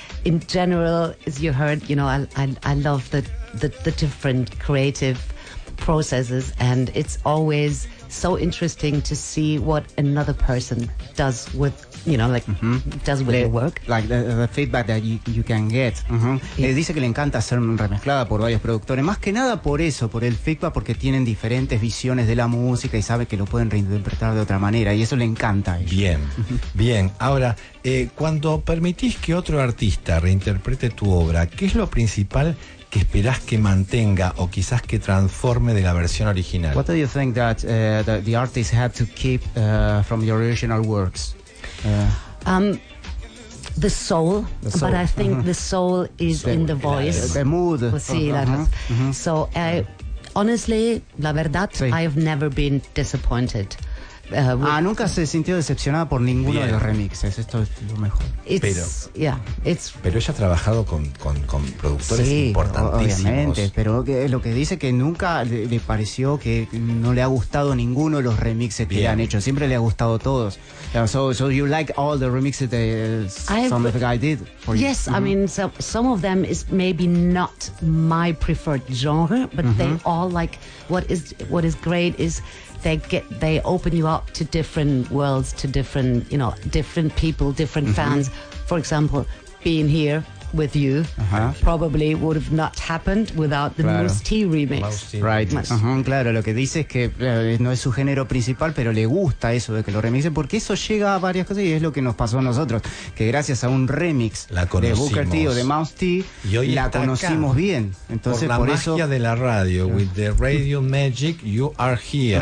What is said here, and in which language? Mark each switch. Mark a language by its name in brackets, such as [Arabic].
[English] In general, as you heard, you know, I love the different creative processes, and it's always so interesting to see what another person does with, you know, like does with the work, like the feedback that you can get. [Spanish] Dice que le encanta ser remezclada por varios productores, más que nada por eso, por el feedback, porque tienen diferentes visiones de la música y sabe que lo pueden reinterpretar de otra manera, y eso le encanta a ella. Bien, bien. Ahora, cuando permitís que otro artista reinterprete tu obra, ¿qué es lo principal que esperás que mantenga o quizás que transforme de la versión original? [English] What do you think that the artist had to keep from the original works? The soul. But I think the soul is soul. In the voice. The mood. [Spanish] Pues sí, la cosa. [English] So, honestly, [Spanish] la verdad, sí. [English] I have never been disappointed. [Spanish] Nunca se sintió decepcionada por ninguno de los remixes. Esto es lo mejor. Pero ella ha trabajado con productores importantísimos. Obviamente, pero lo que dice que nunca le pareció que no le ha gustado ninguno de los remixes que le han hecho. Siempre le ha gustado todos. [English] So you like all the remixes that some of the guy did? Yes, mm-hmm. I mean, some of them is maybe not my preferred genre, but mm-hmm. they all like what is great is they open you up to different worlds, to different, you know, different people, different mm-hmm. fans. For example, being here with you probably would have not happened without the Moose Tea remix. Right. Uh-huh. [Spanish] Claro, lo que dice es que no es su género principal, pero le gusta eso de que lo remixen, porque eso llega a varias cosas y es lo que nos pasó a nosotros, que gracias a un remix de Booker T o de Moose Tea, y hoy la conocimos bien. Entonces, por la magia de la radio, [English] with the radio magic, you are here.